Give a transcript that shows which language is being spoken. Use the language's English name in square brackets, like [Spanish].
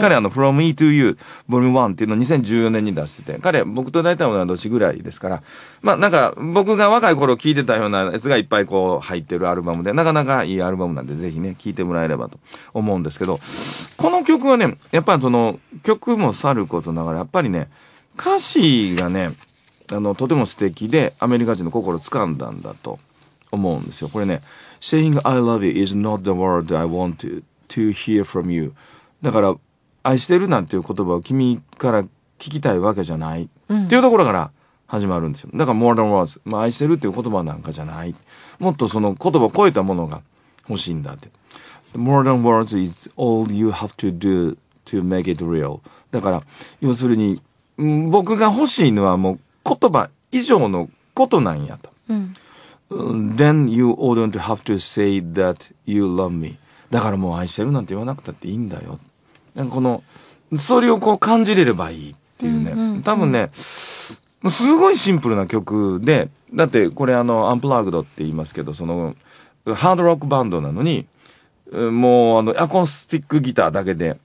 [Japanese] 彼あの、From E to You Vol.1 っていうのを2014年に出してて、彼、僕と大体同じ年ぐらいですから、まあなんか、僕が若い頃聴いてたようなやつがいっぱいこう入ってるアルバムで、なかなかいいアルバムなんで、ぜひね、聴いてもらえればと思うんですけど、この曲はね、やっぱりその曲もさることながら、やっぱりね、歌詞がね、あのとても素敵でアメリカ人の心を掴んだんだと思うんですよ。これね、 [English] Saying I love you is not the word I want to hear from you。 [Japanese] だから愛してるなんていう言葉を君から聞きたいわけじゃない、うん、っていうところから始まるんですよ。だから [English] More than words、 [Japanese] まあ愛してるっていう言葉なんかじゃない、もっとその言葉を超えたものが欲しいんだって。 [English] More than words is all you have to doTo make it real。 [Japanese] だから要するに、僕が欲しいのはもう言葉以上のことなんやと、うん、 [English] Then you oughtn't have to say that you love me。 [Japanese] だからもう愛してるなんて言わなくたっていいんだよ。なんかこのそれをこう感じれればいいっていうね、うんうんうん、多分ねすごいシンプルな曲で、だってこれあのアンプラグドって言いますけど、そのハードロックバンドなのにもうあのアコースティックギターだけで、